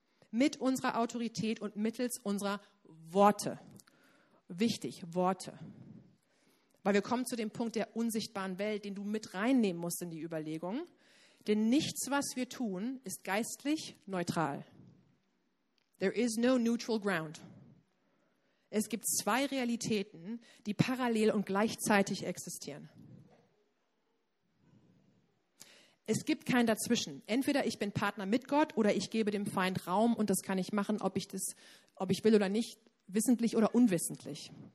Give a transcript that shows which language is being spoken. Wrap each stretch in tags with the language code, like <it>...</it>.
<de>Mit unserer Autorität und mittels unserer Worte. Wichtig, Worte. Weil wir kommen zu dem Punkt der unsichtbaren Welt, den du mit reinnehmen musst in die Überlegung. Denn nichts, was wir tun, ist geistlich neutral.</de> <en>There is no neutral ground.</en> <de>Es gibt zwei Realitäten, die parallel und gleichzeitig existieren. Es gibt kein Dazwischen. Entweder ich bin Partner mit Gott oder ich gebe dem Feind Raum und das kann ich machen, ob ich will oder nicht, wissentlich oder unwissentlich.</de>